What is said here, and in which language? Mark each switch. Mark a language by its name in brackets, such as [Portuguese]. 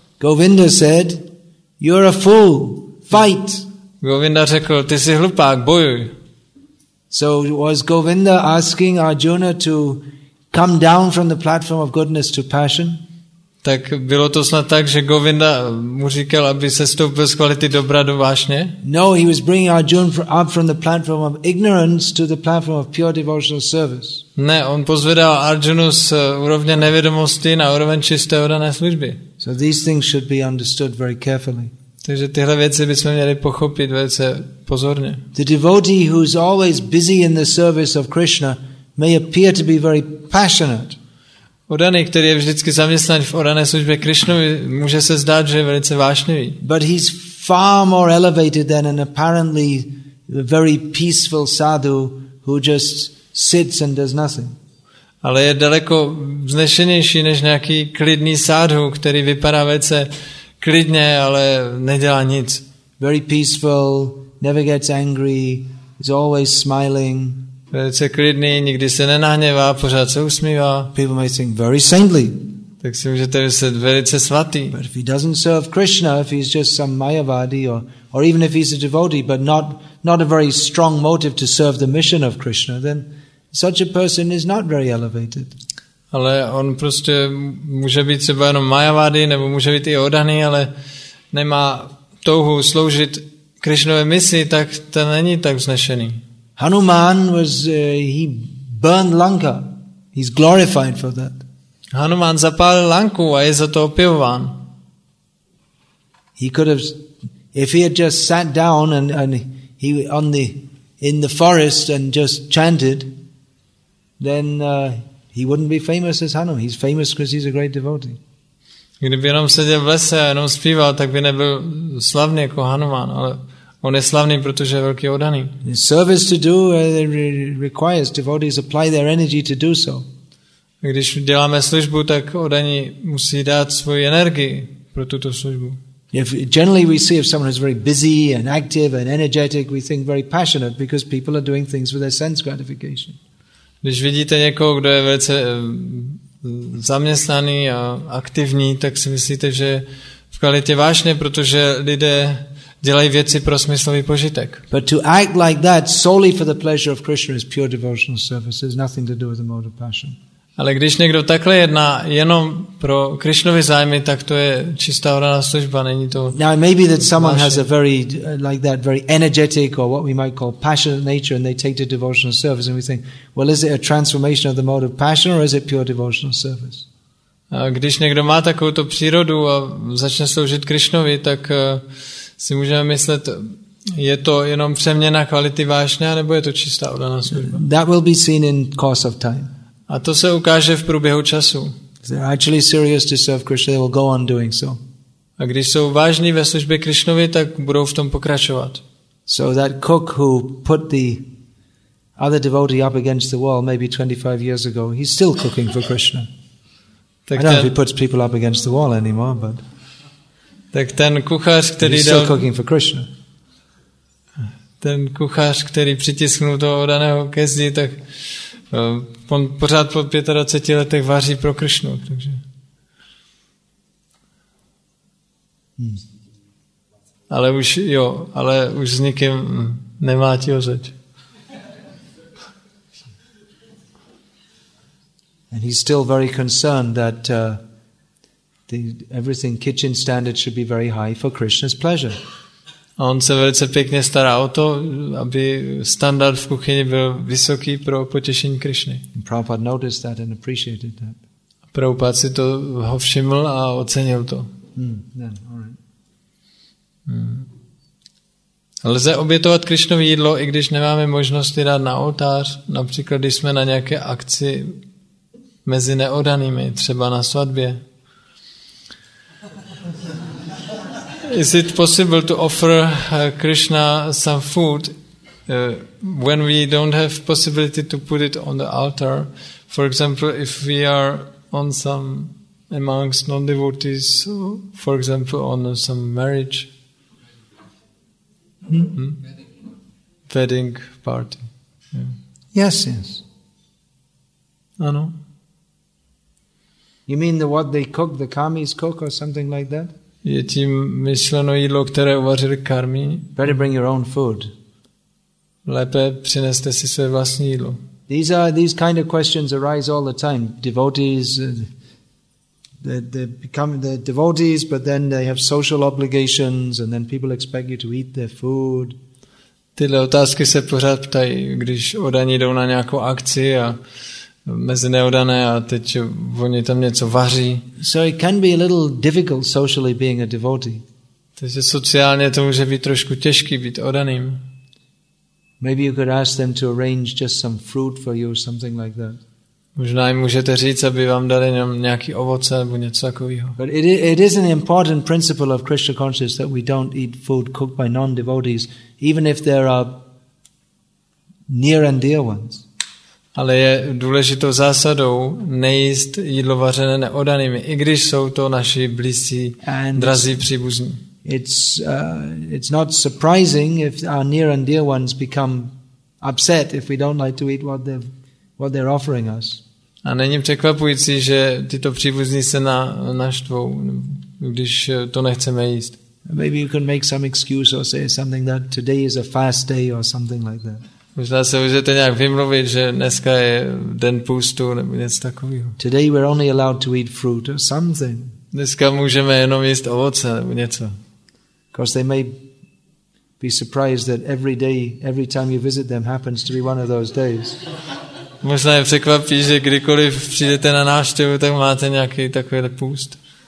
[English] Govinda said, "You're a fool. Fight." [Czech] Govinda řekl, ty jsi hlupák, bojuj. [English] So was Govinda asking Arjuna to come down from the platform of goodness to passion? [Czech] Tak bylo to snad tak, že Govinda mu říkal, aby se stoupil z kvality dobra do vášně? [English] No, he was bringing Arjuna up from the platform of ignorance to the platform of pure devotional service. [Czech] Ne, on pozvedal Arjunu z úrovně nevědomosti na úroveň čisté oddané služby. [English] So these things should be understood very carefully. [Czech] Takže tyhle věci bychom měli pochopit velice pozorně. [English] The devotee who is always busy in the service of Krishna may appear to be very passionate. [Czech] Oddaný, který je vždycky zaměstnán v oddané službě Krišnovi, může se zdát, že je velice vášnivý. [English] But he's far more elevated than an apparently very peaceful sadhu who just sits and does nothing. [Czech] Ale je daleko vznešenější než nějaký klidný sadhu, který vypadá velice klidně, ale nedělá nic. [English] Very peaceful, never gets angry, is always smiling. [Czech] Velice klidný, nikdy se nenahněvá, pořád se usmívá. [English] People may think very saintly. [Czech] Tak si můžete myslet velice svatý. [English] But if he doesn't serve Krishna, if he's just some mayavadi or even if he's a devotee, but not a very strong motive to serve the mission of Krishna, then such a person is not very elevated. [Czech] Ale on prostě může být třeba jenom mayavadi, nebo může být i oddaný, ale nemá touhu sloužit Krišnové misi, tak to není tak vznešený. [English] Hanuman was he burned Lanka. He's glorified for that. [Czech] Hanuman zapálil Lanku a je za to opěvován. [English] He could have, if he had just sat down and he on the in the forest and just chanted, then he wouldn't be famous as Hanuman. He's famous because he's a great devotee. [Czech] Kdyby jenom seděl v lese a jenom zpíval, tak by nebyl slavný jako Hanuman, ale on je slavný, protože je velký oddaný. [English] Service to do requires devotees apply their energy to do so. [Czech] Když děláme službu, tak oddaní musí dát svoji energii pro tuto službu. [English] If generally we see if someone is very busy and active and energetic, we think very passionate because people are doing things for their sense gratification. [Czech] Když vidíte někoho, kdo je velice zaměstnaný a aktivní, tak si myslíte, že v kvalitě vášně, protože lidé dělají věci pro smyslový požitek. [English] But to act like that solely for the pleasure of Krishna is pure devotional service. It has nothing to do with the mode of passion. [Czech] Ale když někdo takhle jedná jenom pro Krišnovy zájmy, tak to je čistá oraná služba, není to. [English] Now maybe that someone has a very like that very energetic or what we might call passionate nature and they take to devotional service and we think, well, is it a transformation of the mode of passion or is it pure devotional service? [Czech] A když někdo má takovouto přírodu a začne sloužit Krišnovi, tak si můžeme myslet, je to jenom přeměna kvality vášně, nebo je to čistá oddaná služba? [English] That will be seen in course of time. [Czech] A to se ukáže v průběhu času. [English] If they're actually serious to serve Krishna, they will go on doing so. [Czech] A když jsou vážní ve službě Krišnovi, tak budou v tom pokračovat. [English] So that cook who put the other devotee up against the wall maybe 25 years ago, he's still cooking for Krishna. Tak I don't know if he puts people up against the wall anymore, but [Czech] tak ten kuchař, který [English] he's still cooking for Krishna. [Czech] Ten kuchař, který přitisknul toho daného ke zdi, tak on pořád po 25 letech vaří pro Krishnu. Takže. Ale už jo, ale už s nikým nemá ti ho řeč. [English] And he's still very concerned that everything kitchen standard should be very high for Krishna's pleasure. [Czech] On se velice pěkně stará o to, aby standard v kuchyni byl vysoký pro potěšení Krishny. [English] Prabhupada noticed that and appreciated that. [Czech] Prabhupada si to ho všiml a ocenil to. [English] Then, all right. [Czech] Lze obětovat Krišnovi jídlo, i když nemáme možnosti dát na oltář, například když jsme na nějaké akci mezi neodanými, třeba na svatbě. [English] Is it possible to offer Krishna some food when we don't have possibility to put it on the altar? For example, if we are on some amongst non-devotees, for example, on some marriage, wedding party. Yeah. Yes, yes. I know. You mean the what they cook, the kamis cook or something like that? [Czech] Je tím myšleno jídlo, které uvařil karmí? [English] Better bring your own food. [Czech] Lépe přineste si své vlastní jídlo. [English] These kind of questions arise all the time. Devotees, they become the devotees, but then they have social obligations, and then people expect you to eat their food. [Czech] Tyhle otázky se pořád ptají, když odaní jdou na nějakou akci a mezi neodané a teď oni tam něco vaří. [English] So it can be a little difficult socially being a devotee. [Czech] Takže sociálně to může být trošku těžký být odaným. [English] Maybe you could ask them to arrange just some fruit for you, something like that. [Czech] Možná jim můžete říct, aby vám dali nějaký ovoce nebo něco takového. [English] But it is an important principle of Krishna consciousness that we don't eat food cooked by non-devotees, even if there are near and dear ones. [Czech] Ale je důležitou zásadou nejíst jídlo vařené neodanými, i když jsou to naši blízcí, drazí příbuzní. [English] It's not surprising if our near and dear ones become upset if we don't like to eat what they're offering us. [Czech] A není překvapující, že tyto příbuzní se naštvou, když to nechceme jíst. [English] Maybe you can make some excuse or say something that today is a fast day or something like that. [Czech] Možná se můžete nějak vymluvit, že dneska je den půstu nebo něco takového. [English] Today we're only allowed to eat fruit or something. [Czech] Dneska můžeme jenom jíst ovoce nebo něco. [English] Because they may be surprised that every day, every time you visit them, happens to be one of those days. [Czech] Možná je překvapí, že kdykoliv přijdete na návštěvu, tak máte nějaký takový půst.